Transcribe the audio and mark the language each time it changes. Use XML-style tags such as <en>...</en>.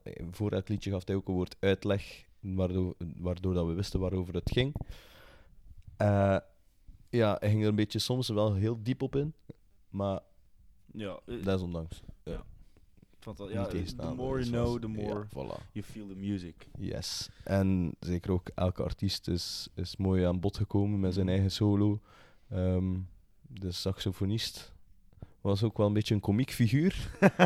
<nl>Voor het liedje gaf hij ook een woord uitleg, waardoor dat we wisten waarover het ging. Hij ging er een beetje soms wel heel diep op in, maar ja, desondanks. Ja.</nl> <en>The more you know, the more you feel the music. Yes.</en> <nl>En zeker ook elke artiest is mooi aan bod gekomen met zijn eigen solo. De saxofonist was ook wel een beetje een komiek figuur.</nl>